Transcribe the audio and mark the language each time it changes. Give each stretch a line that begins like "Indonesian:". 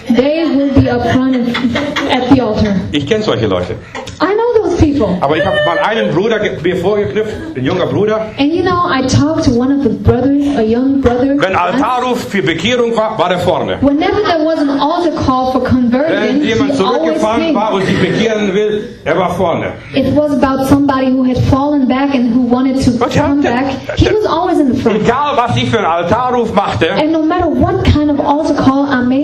English: They will be up front at the altar.
German: Ich kenne solche Leute.
English: I know those people.
German: Aber ich habe mal einen Bruder mir vorgeknüpft, ein junger Bruder.
English: And you know, I talked to one of the brothers, a young brother.
German: Wenn Altarruf für Bekehrung war, war er vorne.
English: Whenever there was an altar call for conversion,
German: wenn jemand zurückgefallen war und sich bekehren will, er war vorne.
English: It was about somebody who had fallen back and who wanted to
German: was
English: come back. He was always in the front.
German: Egal was ich für einen Altarruf machte.
English: And no matter what kind of altar call I made,